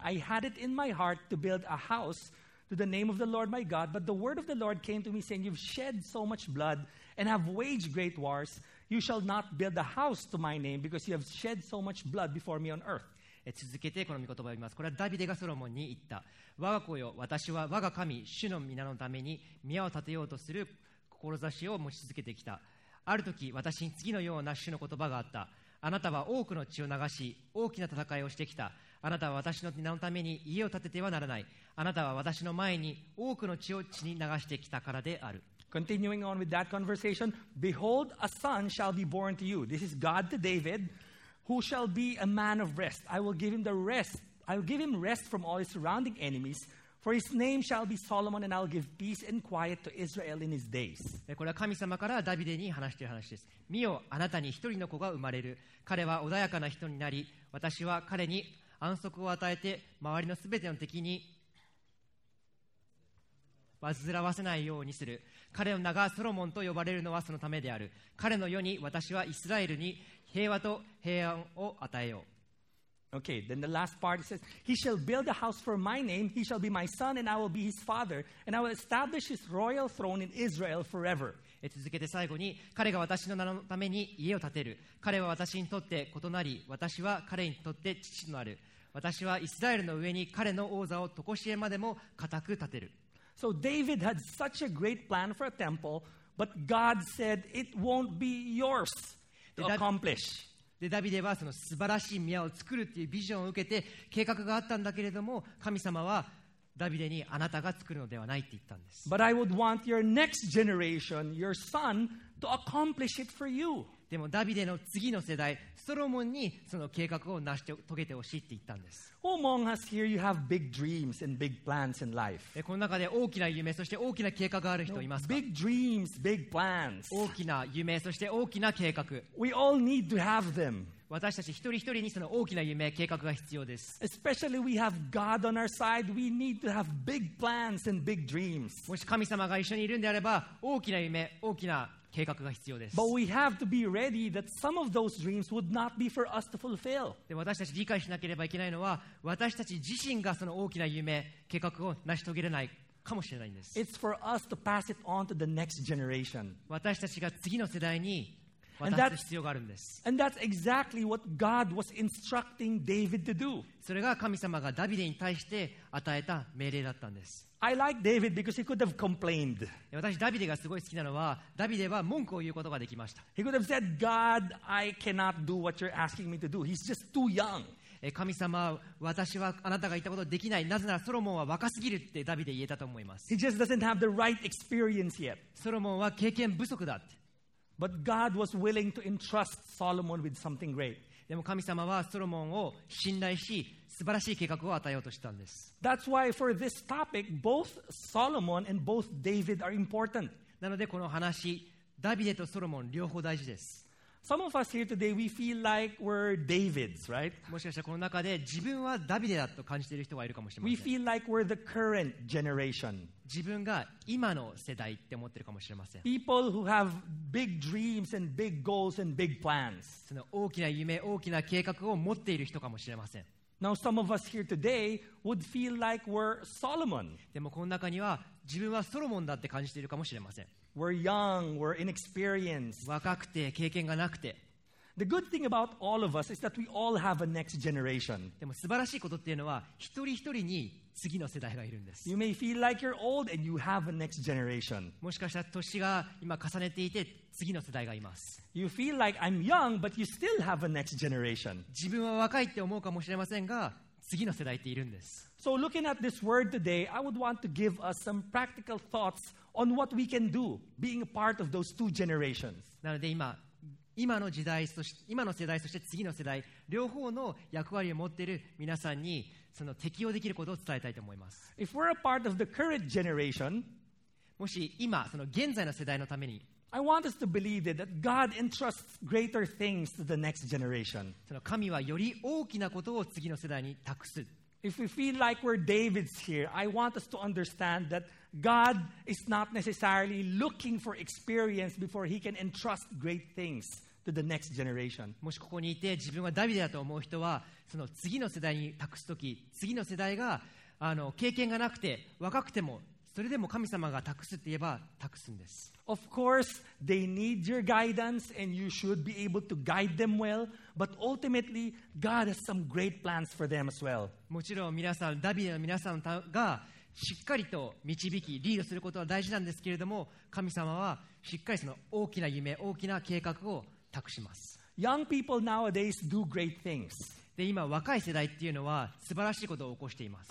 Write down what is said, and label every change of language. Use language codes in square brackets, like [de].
[en] I had it in my heart to build a house to the name of the Lord my God, but the word of the Lord came to me saying, You've shed so much blood and have waged great wars. You shall not build a house to my name because you have shed so much blood before me on earth. [ja] 続けてこの御言葉を読みます。これはダビデがソロモンに言った。我が子よ、私は我が神、主の皆のために宮を建てようとする志を持ち続けてきた。ある時私に次のような主の言葉があった。あなたは多くの血を流し大きな戦いをしてきた。あなたは私の名のために家を建ててはならない。あなたは私の前に多くの血を血に流してきたからである。 [en] Continuing on with that conversation, behold, a son shall be born to you. This is God to David, who shall be a man of rest. I will give him the rest. I will give him rest from all his surrounding enemies. For his name shall be Solomon, and I'll give peace and quiet to Israel in his days. [ja] これは神様からダビデに話している話です。見よ、あなたに一人の子が生まれる。彼は穏やかな人になり、私は彼に安息を与えて、周りのすべての敵に煩わせないようにする。彼の名がソロモンと呼ばれるのはそのためである。彼の世に私はイスラエルに平和と平安を与えよう。 [en] Okay, then the last part says, He shall build a house for my name, he shall be my son, and I will be his father, and I will establish his royal throne in Israel forever. [ja] 続けて最後に、彼が私の名のために家を建てる。彼は私にとって子となり、私は彼にとって父となる。私はイスラエルの上に彼の王座を常しえまでも固く建てる。 [en] So David had such a great plan for a temple, but God said it won't be yours to accomplish. [ja] でダビデはその素晴らしい宮を作るっていうビジョンを受けて計画があったんだけれども神様はダビデにあなたが作るのではないって言ったんです。 [en] But I would want your next generation, your son, to accomplish it for you. [ja] でもダビデの次の世代、ソロモンにその計画を成し遂げてほしいって言ったんです。 [en] Among us here, you have big dreams and big plans in life. [ja] でこの中で大きな夢そして大きな計画がある人いますか？ [en] Big dreams, big plans. [ja] 大きな夢そして大きな計画。 [en] We all need to have them. [ja] 私たち一人一人にその大きな夢計画が必要です。 [en] Especially we have God on our side, we need to have big plans and big dreams. [ja] もし神様が一緒にいるんであれば、大きな夢、大きな計画が必要です。 [en] But we have to be ready that some of those dreams would not be for us to fulfill. [ja] で、私たち理解しなければいけないのは、私たち自身がその大きな夢計画を成し遂げれない。かもしれないんです。 [en] It's for us to pass it on to the next generation. [ja] 私たちが次の世代に。 [en] And that's exactly what God was instructing David to do. [ja] それが神様がダビデに対して与えた命令だったんです。 [en] I like David because he could have complained. [ja] 私ダビデがすごい好きなのは、ダビデは文句を言うことができました。 [en] He could have said, God, I cannot do what you're asking me to do. He's just too young. [ja] 神様、私はあなたが言ったことできない。なぜならソロモンは若すぎるってダビデ言えたと思います。 [en] He just doesn't have the right experience yet. [ja] ソロモンは経験不足だって。 [en] But God was willing to entrust Solomon with something great. [ja] でも神様はソロモンを信頼し、素晴らしい計画を与えようとしたんです。 [en] That's why for this topic, both Solomon and both David are important. [ja] なのでこの話、ダビデとソロモン両方大事です。 [en] Some of us here today, we feel like we're Davids, right? [ja] もしかしたらこの中で自分はダビデだと感じている人がいるかもしれません。 [en] We feel like we're the current generation. [ja] 自分が今の世代って思ってるかもしれません。 [en] People who have big dreams and big goals and big plans. [ja] その大きな夢、大きな計画を持っている人かもしれません。 [en] Now, some of us here today would feel like we're Solomon. [ja] でもこの中には自分はソロモンだって感じているかもしれません。 [en] We're young, we're inexperienced. [ja] 若くて経験がなくて。 [en] The good thing about all of us is that we all have a next generation. [ja] でも素晴らしいことっていうのは一人一人に次の世代がいるんです。 [en] You may feel like you're old and you have a next generation. [ja] もしかしたら年が今重ねていて次の世代がいます。 [en] You feel like I'm young, but you still have a next generation. [ja] 自分は若いって思うかもしれませんが次の世代っているんです。 [en] So looking at this word today, I would want to give us some practical thoughts on what we can do, being a part of those two generations. [ja] なので今の時代そして次の世代両方の役割を持っている皆さんにその適用できることを伝えたいと思います。 [en] If we're a part of the current generation, [ja] もし今その現在の世代のために。 [en] I want us to believe that God entrusts greater things to the next generation. [ja] その神はより大きなことを次の世代に託す。 [en] If we feel like we're David's here, I want us to understand that God is not necessarily looking for experience before he can entrust great things to the next generation. [ja] もしここにいて自分はダビデだと思う人は、その次の世代に託すとき、次の世代が経験がなくて若くても、それでも神様が託すって言えば託すんです。 [en] Of course, they need your guidance and you should be able to guide them well, but ultimately, God has some great plans for them as well. [ja] もちろん皆さん、ダビデの皆さんがしっかりと導き、リードすることは大事なんですけれども、神様はしっかりその大きな夢、大きな計画を託します。 [en] Young people nowadays do great things. [ja] で今若い世代っていうのは素晴らしいことを起こしています。